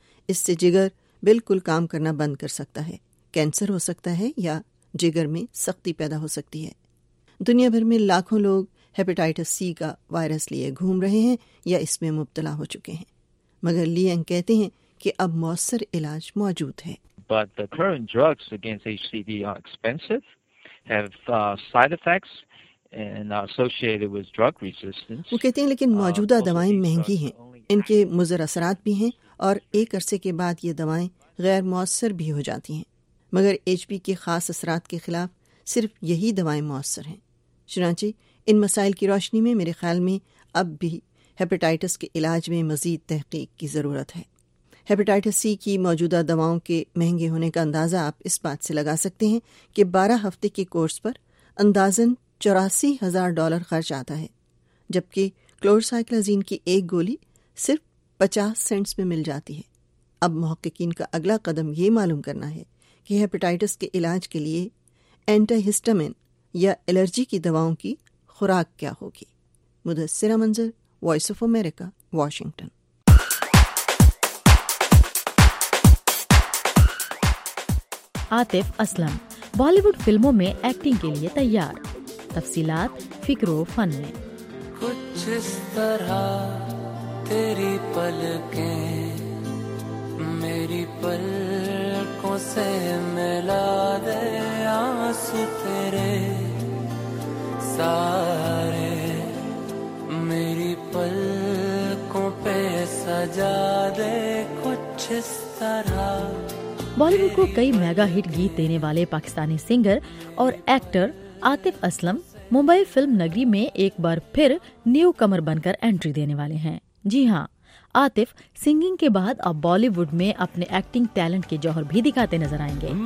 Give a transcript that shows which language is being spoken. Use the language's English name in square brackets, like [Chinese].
[Urdu] اس سے جگر بالکل کام کرنا بند کر سکتا ہے، کینسر ہو سکتا ہے یا جگر میں سختی پیدا ہو سکتی ہے۔ دنیا بھر میں لاکھوں لوگ ہیپیٹائٹس سی کا وائرس لیے گھوم رہے ہیں یا اس میں مبتلا ہو چکے ہیں، مگر لیانگ کہتے ہیں کہ اب مؤثر علاج موجود ہے۔ [English] But the current drugs against HCV are expensive, have side effects and are associated with drug resistance. [Urdu] وہ کہتے ہیں لیکن موجودہ دوائیں مہنگی ہیں، ان کے مضر اثرات بھی ہیں اور ایک عرصے کے بعد یہ دوائیں غیر مؤثر بھی ہو جاتی ہیں، مگر ایچ پی کے خاص اثرات کے خلاف صرف یہی دوائیں مؤثر ہیں۔ چنانچہ ان مسائل کی روشنی میں میرے خیال میں اب بھی ہیپیٹائٹس کے علاج میں مزید تحقیق کی ضرورت ہے۔ ہیپیٹائٹس سی کی موجودہ دواؤں کے مہنگے ہونے کا اندازہ آپ اس بات سے لگا سکتے ہیں کہ 12 ہفتے کے کورس پر اندازاً $84,000 خرچ آتا ہے، جبکہ کلور سائیکلزین کی ایک گولی صرف 50 سینٹس میں مل جاتی ہے۔ اب محققین کا اگلا قدم یہ معلوم کرنا ہے کہ ہیپیٹائٹس کے علاج کے لیے اینٹی ہسٹامین یا الرجی کی دواؤں کی خوراک کیا ہوگی۔ مدثرہ منظر، voice of America, Washington. Atif Aslam Bali would فلموں میں ایکٹنگ کے لیے تیار، تفصیلات فکر و فن میں. کچھ اس طرح تیری پلکیں میری پلکوں سے ملا دے آنسو تیرے سارے میری پلکوں پہ سجا دے کچھ اس طرح. بالی ووڈ کو کئی میگا ہٹ گیت دینے والے پاکستانی سنگر اور ایکٹر عاطف اسلم ممبئی فلم نگری میں ایک بار پھر نیو کمر بن کر انٹری دینے والے ہیں. جی ہاں, عاطف سنگنگ کے بعد اب بالی ووڈ میں اپنے ایکٹنگ ٹیلنٹ کے جوہر بھی دکھاتے نظر آئیں گے.